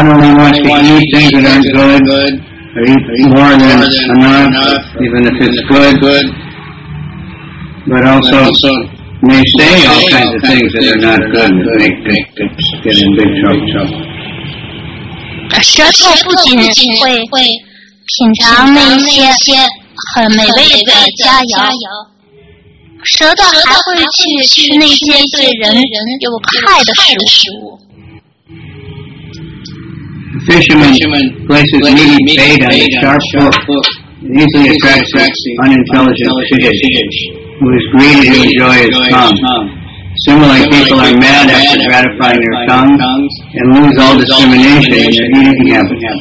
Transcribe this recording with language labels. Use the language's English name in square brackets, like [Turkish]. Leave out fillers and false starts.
[English] Not only wants to eat things that aren't good, or eat more than enough, even if it's good. But also may say all kinds of things that are not good and get in big trouble. [Chinese] 舌头不仅会品尝那些很美味的佳肴，舌头还会去吃那些对人有害的食物。 [English] The fisherman places meaty bait on a sharp hook and easily attracts the unintelligent fish, who is greedy to enjoy his tongue. Similarly, people are mad after gratifying their tongues and lose all discrimination in their eating habits.